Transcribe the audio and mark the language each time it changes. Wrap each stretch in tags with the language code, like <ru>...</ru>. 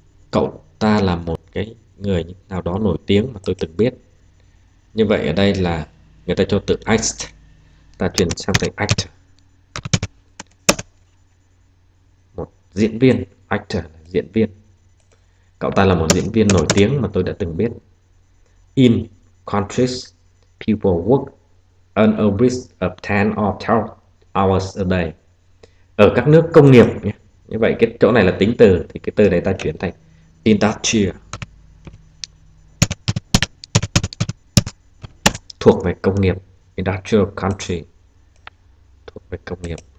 <vi>Cậu ta là một cái người nào đó nổi tiếng mà tôi từng biết. Như vậy ở đây là người ta cho từ act, ta chuyển sang thành actor. Một diễn viên, actor là diễn viên. Cậu ta là một diễn viên nổi tiếng mà tôi đã từng biết.</vi> <en>In countries people work an average of 10 or 12 hours a day.</en> <vi>Ở các nước công nghiệp nhé. Như vậy cái chỗ này là tính từ thì cái từ này ta chuyển thành industrial. Thuộc về công nghiệp, industrial country. Thuộc về công nghiệp.</vi>